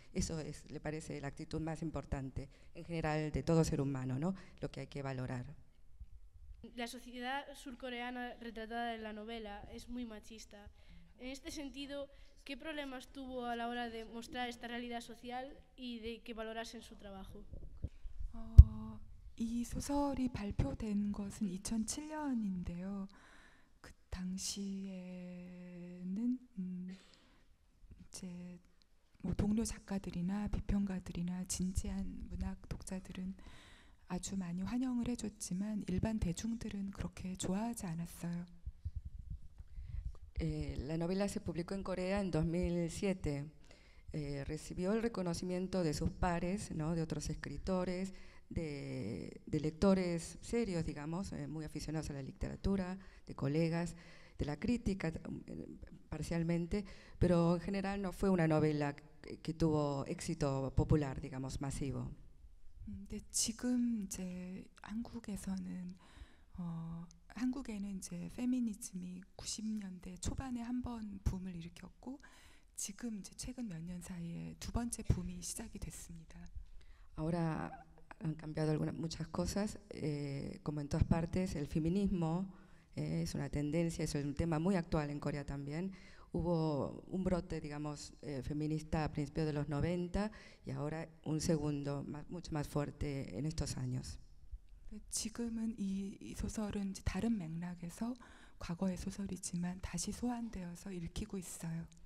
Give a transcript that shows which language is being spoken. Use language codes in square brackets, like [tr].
[es] Eso es, le parece, la actitud más importante en general de todo ser humano, ¿no? Lo que hay que valorar. La sociedad surcoreana retratada en la novela es muy machista. En este sentido, ¿qué problemas tuvo a la hora de mostrar esta realidad social y de que valorasen su trabajo? [ko] 이 소설이 발표된 것은 2007년인데요. 그 당시에는 이제 뭐 동료 작가들이나 비평가들이나 진지한 문학 독자들은 아주 많이 환영을 해줬지만 일반 대중들은 그렇게 좋아하지 않았어요. [es] La novela se publicó en Corea en 2007. Recibió el reconocimiento de sus pares, ¿no? De otros escritores, de lectores serios, digamos, muy aficionados a la literatura, de colegas, de la crítica, parcialmente, pero en general no fue una novela que tuvo éxito popular, digamos, masivo. [ko] 근데 지금 이제 한국에서는 한국에는 이제 페미니즘이 90년대 초반에 한 번 붐을 일으켰고 지금 이제 최근 몇 년 사이에 두 번째 붐이 시작이 됐습니다. [es] Ahora han cambiado muchas cosas, como en todas partes, el feminismo es una tendencia, es un tema muy actual en Corea también. Hubo un brote, digamos, feminista a principios de los 90 y ahora un segundo, mucho más fuerte en estos años. [ko] 지금은 이 소설은 다른 맥락에서 과거의 소설이지만 다시 소환되어서 읽히고 있어요.